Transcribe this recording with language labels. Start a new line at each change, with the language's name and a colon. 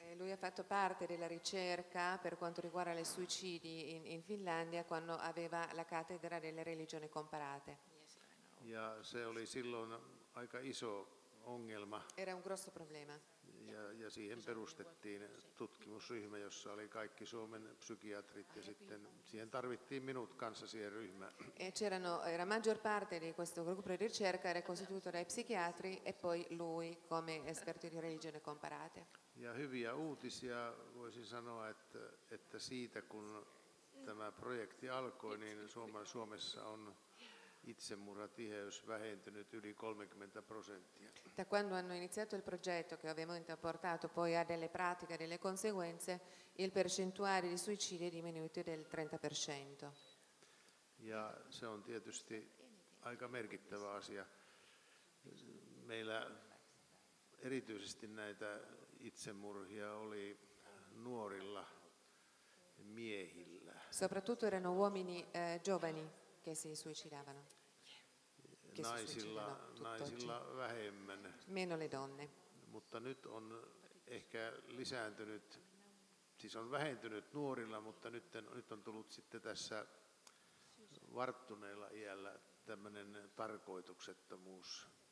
Italian: Lui ha fatto parte della ricerca per quanto riguarda le suicidi in Finlandia quando aveva la cattedra delle religioni comparate.
Finnish: Ja se oli silloin aika iso ongelma.
Italian: Era un grosso problema.
Finnish: Ja siihen perustettiin tutkimusryhmä, jossa oli kaikki Suomen psykiatrit, ja sitten siihen tarvittiin minut kanssa siihen ryhmään.
Italian: E c'erano, era maggior parte di questo gruppo di ricerca era costituito dai psichiatri e poi lui come esperto di religione comparate.
Finnish: Ja hyviä uutisia, voisin sanoa, että siitä kun tämä projekti alkoi, niin Suomessa on itsemurhatiheys vähentynyt yli 30%.
Italian: Da quando hanno iniziato il progetto, che ovviamente ha portato poi a delle pratiche, delle conseguenze, il percentuale di suicidi è diminuito del 30%.
Finnish: Ja se on tietysti aika merkittävä asia. Meillä erityisesti näitä itsemurhia oli nuorilla miehillä.
Italian: Soprattutto erano uomini giovani che si suicidavano.
Finnish: Naisilla vähemmän.
Italian: Meno le donne.
Finnish: Mutta nyt on ehkä lisääntynyt, siis on vähentynyt nuorilla, mutta nyt on tullut sitten tässä varttuneella iällä tämmöinen tarkoituksettomuus.